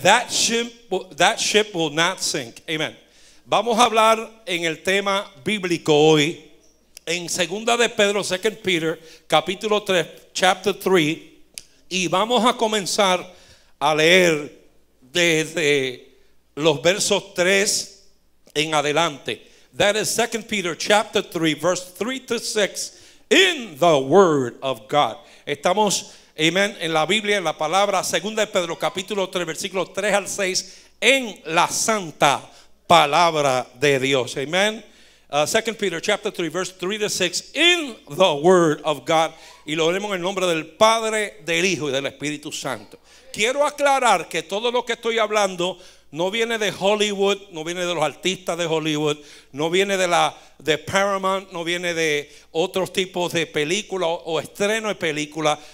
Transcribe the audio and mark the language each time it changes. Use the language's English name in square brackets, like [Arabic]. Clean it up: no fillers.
[English] That ship will not sink. [Spanish] Amen. Vamos a hablar en el tema bíblico hoy, en segunda de Pedro, 2 Peter, capítulo 3, chapter 3. Y vamos a comenzar a leer desde los versos 3 en adelante. [English] That is 2 Peter chapter 3, verse 3 to 6, in the Word of God. [Spanish] Estamos, amen, en la Biblia, en la palabra. 2 Pedro capítulo 3, versículos 3 al 6, en la santa palabra de Dios. Amen. [English] 2 Peter chapter 3, verse 3 to 6, in the Word of God. [Spanish] Y lo leemos en el nombre del Padre, del Hijo y del Espíritu Santo. Quiero aclarar que todo lo que estoy hablando no viene de Hollywood, no viene de los artistas de Hollywood, no viene de Paramount, no viene de otros tipos de películas o estreno de películas.